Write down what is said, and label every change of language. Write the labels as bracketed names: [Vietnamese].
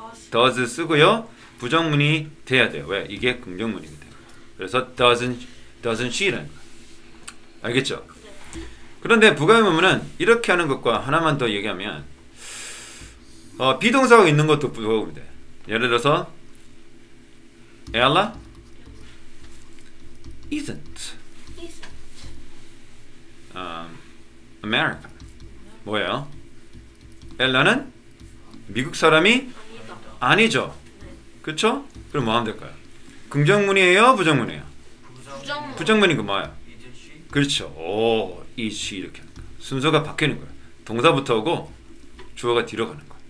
[English] Does [Korean] 쓰고요. 부정문이 돼야 돼요. 왜? 이게 긍정문이기 때문에. 그래서 [English] doesn't she [Korean] 라는 거. 알겠죠? 그런데 부가의문은 이렇게 하는 것과 하나만 더 얘기하면 비동사가 있는 것도 부가의문이 돼. 예를 들어서 [English] Ella isn't American. [Korean] 뭐예요? Ella는 미국 사람이 아니죠. 그쵸? 그럼 뭐 하면 될까요? 긍정문이에요? 부정문이에요? 부정문. 부정문인 거 뭐예요? [English] Is she? [Korean] 그렇죠. 오, [English] is she [Korean] 이렇게 하는 거예요. 순서가 바뀌는 거예요. 동사부터 오고 주어가 뒤로 가는 거예요.